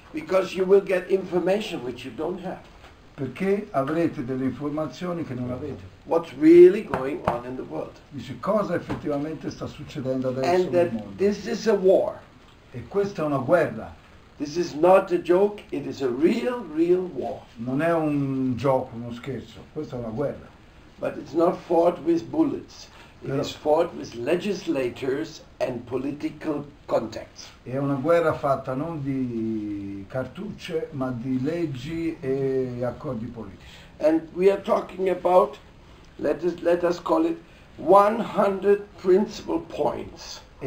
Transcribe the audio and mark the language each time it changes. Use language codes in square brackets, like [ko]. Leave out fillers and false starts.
[en] Because you will get information which you don't have. [it] Perché avrete delle informazioni che non avete. [en] What's really going on in the world. [it] Dice, cosa effettivamente sta succedendo adesso [en] and [it] nel mondo. [en] And that this is a war. [it] E questa è una guerra. [en] This is not a joke, it is a real, real war. [it] Non è un gioco, uno scherzo, questa è una guerra. [en] But it's not fought with bullets. It is fought with legislators and political contacts. [it] È una guerra fatta non di cartucce, ma di leggi e accordi politici. [en] And we are talking about, let us call it, 100 principal points.